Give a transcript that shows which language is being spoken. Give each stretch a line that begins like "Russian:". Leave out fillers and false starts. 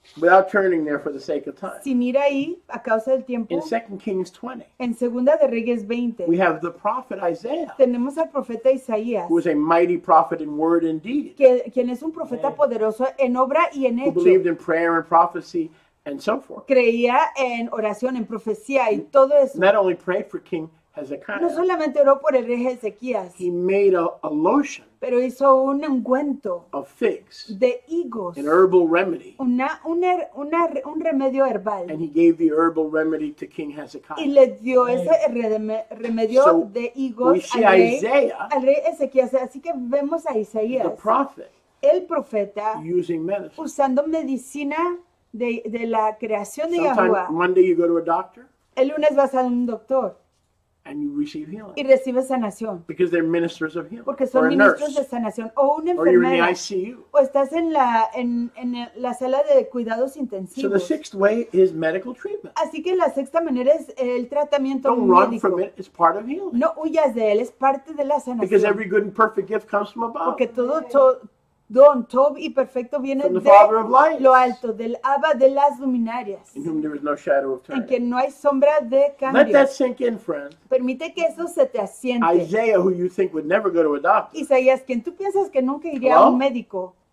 English: Without turning there for the sake of time.
Spanish: Sin ir ahí a causa del tiempo.
English: In 2 Kings 20.
Spanish: En Segunda de Reyes 20.
English: We have the prophet Isaiah.
Spanish: Tenemos al profeta Isaías.
English: Who is a mighty prophet in word and deed.
Spanish: Quien es un profeta poderoso en obra y en hecho.
English: Who believed in prayer and prophecy. And so forth.
Spanish: Creía en oración, en profecía y todo eso.
English: Not only prayed for King Hezekiah.
Spanish: No solamente oró por el rey Ezequías.
English: He made a lotion.
Spanish: Pero hizo un ungüento.
English: Of figs.
Spanish: De higos.
English: An herbal remedy.
Spanish: Un remedio herbal.
English: And he gave the herbal remedy to King Hezekiah.
Spanish: Y le dio ese remedio de higos al rey Ezequías. Así que vemos a Isaías.
English: The prophet.
Spanish: El profeta.
English: Using medicine.
Spanish: Usando medicina. De la creación de Yahuwah.
English: Sometimes Monday you go to a doctor.
Spanish: El lunes vas a un doctor.
English: And you receive healing.
Spanish: Y recibes sanación.
English: Because they're ministers of healing.
Spanish: Porque son ministros de sanación. O un enfermero.
English: Or you're in the ICU.
Spanish: O estás en la sala de cuidados intensivos.
English: So the sixth way is medical treatment.
Spanish: Así que la sexta manera es el tratamiento médico.
English: Don't run from it. It's part of healing.
Spanish: No huyas de él. Es parte de la sanación.
English: Because every good and perfect gift comes from above.
Spanish: Porque todo Don Tob y perfecto viene de lo alto, del Abba de las luminarias.
English: In whom there is no shadow of turning.
Spanish: En quien no hay sombra de cambio.
English: Let that sink in, friend.
Spanish: Permite que eso se te asiente.
English: Isaiah, who you think would never go to a doctor.
Spanish: Isaías, quien tú piensas que nunca iría a un médico.